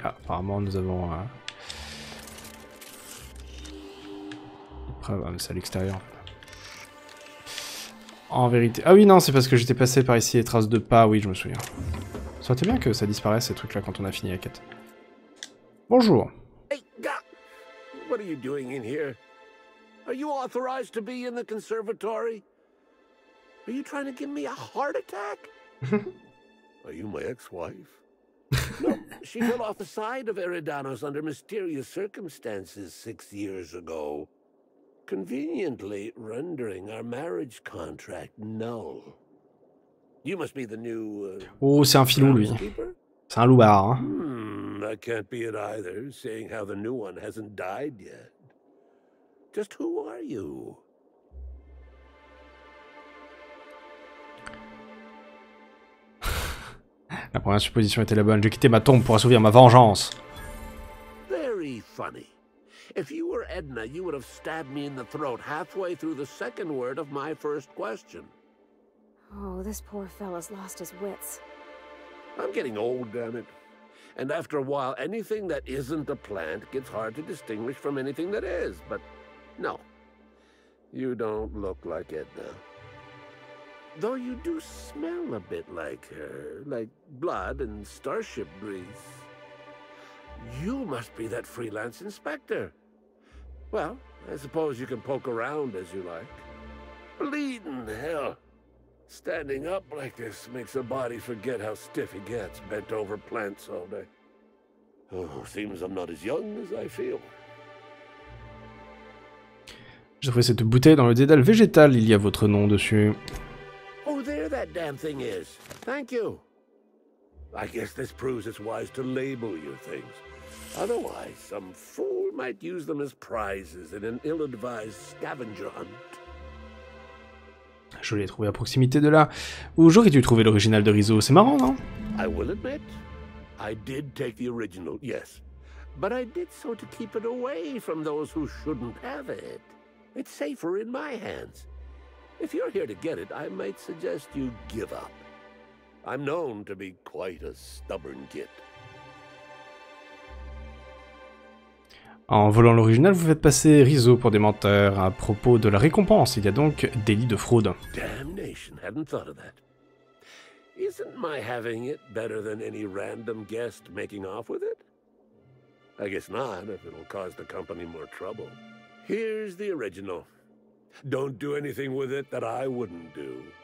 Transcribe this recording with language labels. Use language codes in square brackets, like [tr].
[fr] Ah, apparemment nous avons... Après, bah, c'est à l'extérieur. En vérité... Ah oui, non, c'est parce que j'étais passé par ici, les traces de pas, oui, je me souviens. Ça aurait été bien que ça disparaisse, ces trucs-là, quand on a fini la quête. Bonjour. [en] Hey, gars, what are you doing in here? Are you authorized to be in the conservatory? Are you trying to give me a heart attack? Are you my ex-wife? No, she fell off the side of Eridanos under mysterious circumstances 6 years ago. Conveniently rendering our marriage contract null. You must be the new... [fr] Oh, c'est un filou, lui. C'est un loupard. [en] I can't be it either, seeing how the new one hasn't died yet. Just who are you? [fr] La première supposition était la bonne. J'ai quitté ma tombe pour assouvir ma vengeance. [en] Very funny. If you were Edna, you would have stabbed me in the throat halfway through the second word of my first question. Oh, this poor fella's lost his wits. I'm getting old, damn it. And after a while, anything that isn't a plant gets hard to distinguish from anything that is. But no, you don't look like Edna. Though you do smell a bit like her, like blood and starship grease. You must be that freelance inspector. Well, I suppose you can poke around as you like. Bleeding hell. Standing up like this makes a body forget how stiff he gets, bent over plants all day. Oh, seems I'm not as young as I feel. [fr] J'ai trouvé cette bouteille dans le dédale végétal, il y a votre nom dessus. [en] Oh, there that damn thing is. Thank you. I guess this proves it's wise to label your things. Otherwise, some fool might use them as prizes in an ill-advised scavenger hunt. [fr] Je l'ai trouvé à proximité de là où j'aurais dû trouver l'original de Rizzo. C'est marrant, non? [en] I will admit, I did take the original, yes. But I did so to keep it away from those who shouldn't have it. It's safer in my hands. If you're here to get it, I might suggest you give up. I'm known to be quite a stubborn git. [fr] En volant l'original, vous faites passer Rizzo pour des menteurs. À propos de la récompense, il y a donc délit de fraude. [en] Damnation, hadn't thought of that. Isn't my having it better than any random guest making off with it? I guess not, if it'll cause the company more trouble. Here's the original. Don't do anything with it that I wouldn't do.